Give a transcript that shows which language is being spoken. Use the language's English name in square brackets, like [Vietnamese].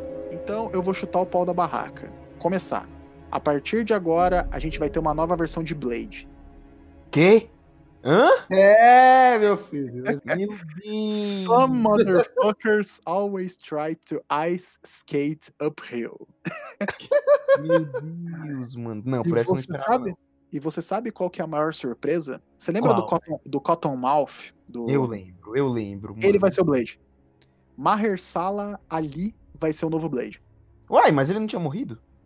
[Portuguese] Então eu vou chutar o pau da barraca. Começar. A partir de agora, a gente vai ter uma nova versão de Blade. Quê? Hã? É, meu filho. [English] Some motherfuckers always try to ice skate uphill. [Portuguese] Meu Deus, mano. Não, por essa não esperava, sabe, não. E você sabe qual que é a maior surpresa? Você lembra do Cottonmouth? Eu lembro. Mano. Ele vai ser o Blade. Mahershala Ali vai ser o novo Blade. Uai, mas ele não tinha morrido?